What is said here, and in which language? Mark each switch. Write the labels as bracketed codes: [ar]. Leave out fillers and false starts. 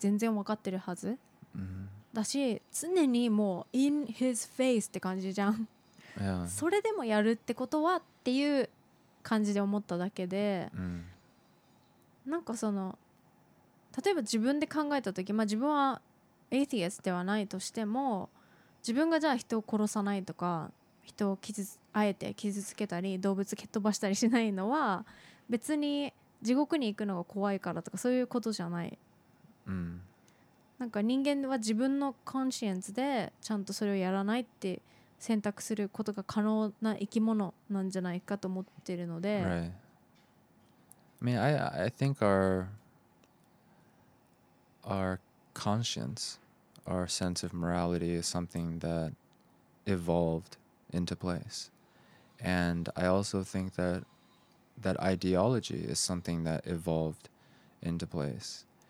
[en] He knows that religion is different from normal people. And he's constantly in his face. [ja] って感じじゃん。 [en] Yeah. [ja] それでもやるってことはっていう感じで思っただけで、うん、なんかその例えば自分で考えた時、まあ、自分はエイティエスではないとしても自分がじゃあ人を殺さないとか人を傷あえて傷つけたり動物蹴っ飛ばしたりしないのは別に地獄に行くのが怖いからとかそういうことじゃない、うん、なんか人間は自分のコンシエンスでちゃんとそれをやらないって選択することが可能な生き物なんじゃないかと思ってるので、 [en] right. I mean, I think our conscience, our sense of morality is something that evolved into place. And I also think that ideology is something that evolved into place.